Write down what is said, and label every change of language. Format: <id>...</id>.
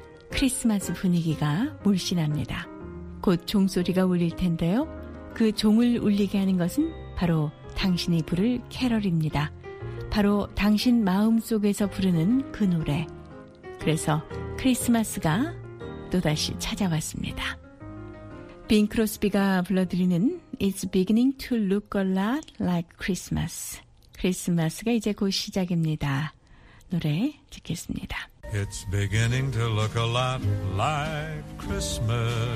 <ko>크리스마스 분위기가 물씬 납니다. 곧 종소리가 울릴 텐데요. 그 종을 울리게 하는 것은 바로 당신이 부를 캐럴입니다. 바로 당신 마음 속에서 부르는 그 노래. 그래서 크리스마스가 또다시 찾아왔습니다. 빙 크로스비가 불러드리는 It's beginning to look a lot like Christmas. 크리스마스가 이제 곧 시작입니다. 노래 듣겠습니다.</ko> <en>It's beginning to look a lot like Christmas.</en>